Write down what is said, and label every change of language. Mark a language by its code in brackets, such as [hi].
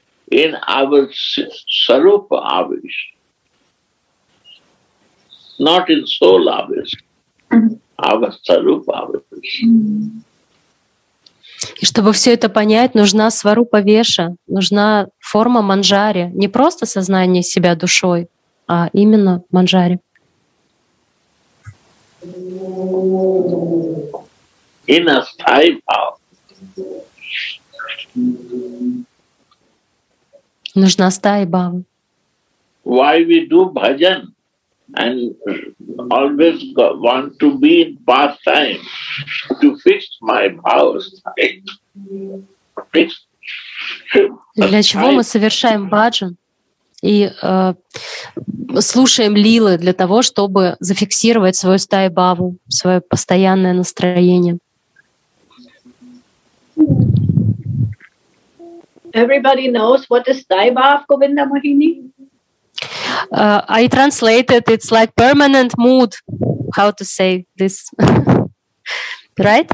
[en] In our sarupa avish, not in soul avish, our sarupa avish. [ru] И чтобы все это понять, нужна сварупа веша, нужна форма манджари, не просто сознание себя душой, а именно манджари. [en] In a sthayi bhav. [ru] Нужна стая бхава. [en] Why we do bhajan and always want to be in pastime to fix my bhava state? [ru] Для чего мы совершаем бхаджан и слушаем лилы для того, чтобы зафиксировать свою стаю бхаву, свое постоянное настроение? [en] Everybody knows what is sthayi bhav, Govinda Mohini? I translated, it's like permanent mood, how to say this, right?